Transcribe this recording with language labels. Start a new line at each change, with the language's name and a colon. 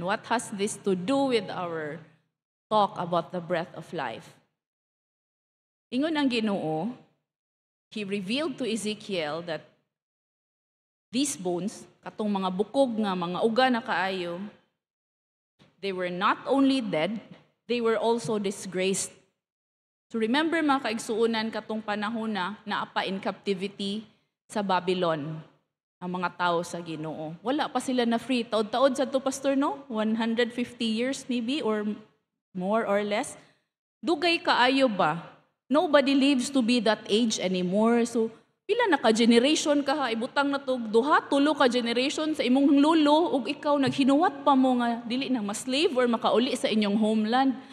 English: What has this to do with our talk about the breath of life?
Cebuano: Ingon ang Ginoo,
English: he revealed to Ezekiel that these bones,
Cebuano: katong mga bukog nga, mga uga na kaayo,
English: they were not only dead, they were also disgraced. So remember,
Cebuano: mga kaigsuunan, katong panahon na naapa
English: in captivity
Cebuano: sa Babylon, ang mga tao sa Ginoo. Wala pa sila na free. Taod-taod sa to, Pastor, no?
English: 150 years maybe, or more or less.
Cebuano: Dugay kaayo ba?
English: Nobody lives to be that age anymore.
Cebuano: So, pila na ka-generation ka, ha? Ibutang na to, duha, tulo ka-generation sa imong lulo, o ikaw, naghinuwat pa mo nga, dili na ma-slave or makauli sa inyong homeland.